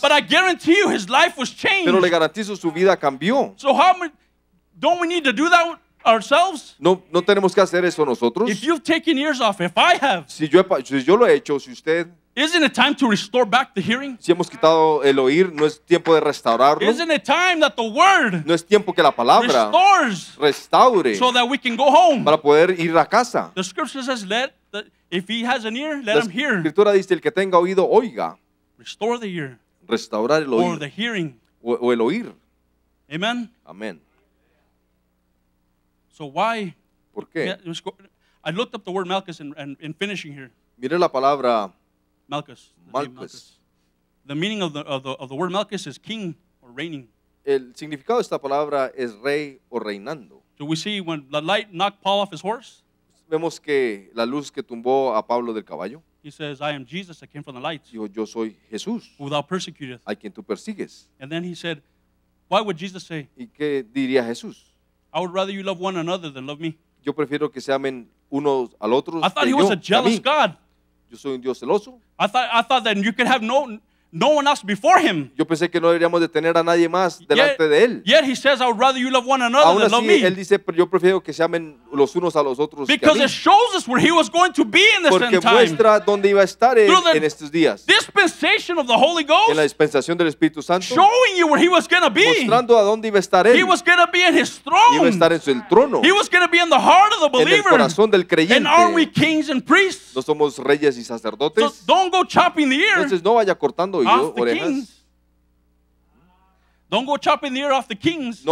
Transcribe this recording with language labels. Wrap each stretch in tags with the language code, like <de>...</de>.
<en>But I guarantee you, his life was changed.</en> <es>Pero le garantizo su vida cambió.</es> <en>So how don't we need to do that? Ourselves?</en> <es>No tenemos que hacer eso nosotros.</es> <en>If you've taken ears off, if I have,</en> <es>si yo lo he hecho, si usted,</es> <en>isn't it time to restore back the hearing?</en> <es>Si hemos quitado el oír, no es tiempo de restaurarlo.</es> <en>Isn't it time that the word,</en> <es>no es tiempo que la palabra,</es> <en>restores,</en> <es>restaure,</es> <en>so that we can go home,</en> <es>para poder ir a casa.</es> <en>The scripture says, if he has an ear, let him hear.</en> <es>La escritura dice, el que tenga oído, oiga.</es> <en>Restore the ear,</en> <es>restaurar el oír,</es> <en>or the hearing,</en> <es>o el oír. Amen. Amen.</es> <en>So why?</en> <es>¿Por qué?</es> <en>I looked up the word Malchus in finishing here.</en> <es>Mire la palabra</es> <en>Malchus.</en> <es>Malchus.</es> <en>The meaning of the word Malchus is king or reigning.</en> <es>El significado de esta palabra es rey o reinando.</es> <en>Do we see when the light knocked Paul off his horse?</en> <es>Vemos que la luz que tumbó a Pablo del caballo.</es> <en>He says, "I am Jesus that came from the light."</en> <es>Dijo, yo soy Jesús.</es> <en>Who thou persecutest?</en> <es>A quien tú persigues.</es> <en>And then he said, "Why would Jesus say?"</en> <es>¿Y qué diría Jesús?</es> <en>I would rather you love one another than love me.</en> <es>Yo prefiero que se amen unos al otro.</es> <en>I thought he was a jealous God.</en> <es>Yo soy un Dios celoso.</es> <en>I thought that you could have no one else before him.</en> <es>Yo pensé que no deberíamos de tener a nadie más delante de él.</es> <en>Yet he says, I would rather you love one another</en> <es>Aún</es> <en>than</en> <es>así,</es> <en>love me.</en> <es>Él dice, pero yo prefiero que se amen los unos a los otros</es> <en>Because</en> <es>que a mí.</es> <en>It shows us where he was going to be in this</en> <es>Porque</es> <en>end time.</en> <es>Porque muestra dónde iba a estar en estos días.</es> <en>Dispensation of the Holy Ghost.</en> <es>En la dispensación del Espíritu Santo.</es> <en>Showing you where he was going to be.</en> <es>Mostrando a dónde iba a estar él.</es> <en>He was going to be in his throne.</en> <es>Iba a estar en su trono.</es> <en>He was going to be in the heart of the believer.</en> <es>En el corazón del creyente.</es> <en>And are we kings and priests?</en> <es>No somos reyes y sacerdotes.</es> <en>So don't go chopping the ear.</en> <es>Entonces no vaya cortando</es> <en>Don't go chopping the ear off the kings.</en>